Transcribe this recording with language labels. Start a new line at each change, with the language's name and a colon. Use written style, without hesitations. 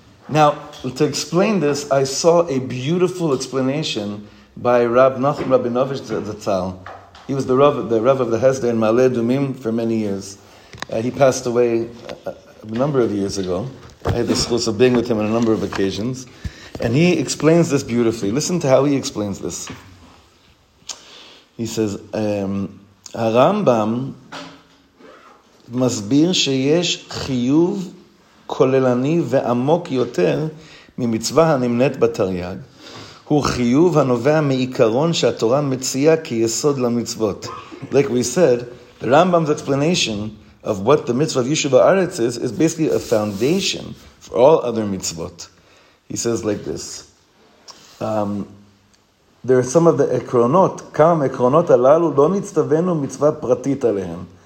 English: Now, to explain this, I saw a beautiful explanation by Rab Nachum Rabinovich Zatzal. He was the Rav of the Hesder in Ma'aleh Dumim for many years. He passed away a number of years ago. I had the schus of being with him on a number of occasions. And he explains this beautifully. Listen to how he explains this. He says,
Hebrew: הרמב״ם מסביר שיש חיוב כוללני ועמוק יותר ממצווה הנמנית בתרי"ג, הוא חיוב הנובע מעיקרון שהתורה מציעה כיסוד למצוות.
English: Like we said, the Rambam's explanation of what the mitzvah of Yishuv Haaretz is basically a foundation for all other mitzvot. He says like this, there are some of the ekronot,
Hebrew: kam ekronot alalu lo nitztavenu mitzvah pratit alehem.